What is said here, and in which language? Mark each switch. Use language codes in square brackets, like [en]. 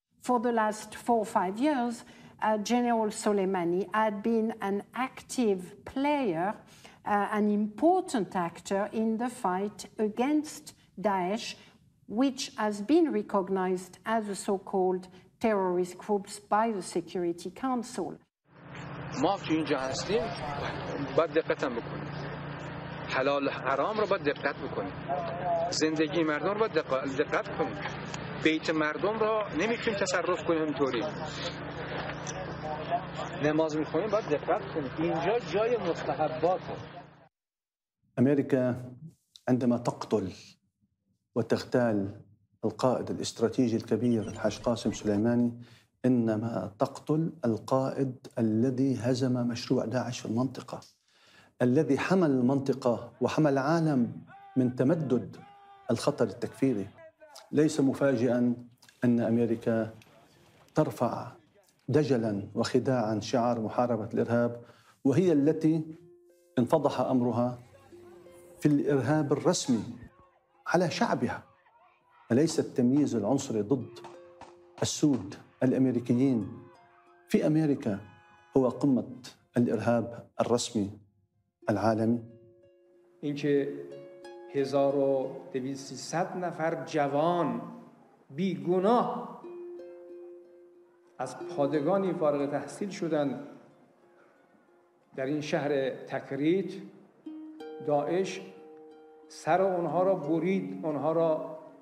[en] For the last 4 or 5 years, General Soleimani had been an active player, an important actor in the fight against Daesh, which has been recognized as a so-called terrorist group by the Security Council. [fa] ما توی این جهنسلی باید دقت بکنیم. حلال حرام رو باید دقت بکنیم. زندگی مردم رو باید دقت کنیم. بیت مردم را نمیتونیم تصرف کنیم اینطوری. نماز میخونیم باید دقت کنیم. اینجا جای مستحبات. [ar] امریکا عندما تقتل وتغتال القائد الاستراتيجي الكبير الحاج قاسم سليماني، انما تقتل القائد الذي هزم مشروع داعش في المنطقة، الذي حمل المنطقة وحمل العالم من تمدد الخطر التكفيري. ليس مفاجئاً أن أمريكا ترفع دجلاً وخداعاً شعار محاربة الإرهاب، وهي التي انفضح أمرها في الإرهاب الرسمي على شعبها. أليس التمييز العنصري ضد السود الأمريكيين في أمريكا هو قمة الإرهاب الرسمي العالمي؟ [fa] إنكي 1200 نفر جوان بیگناه از پادگانی فارغ تحصیل شدند در این شهر تکریت، داعش سر اونها را برید، اونها را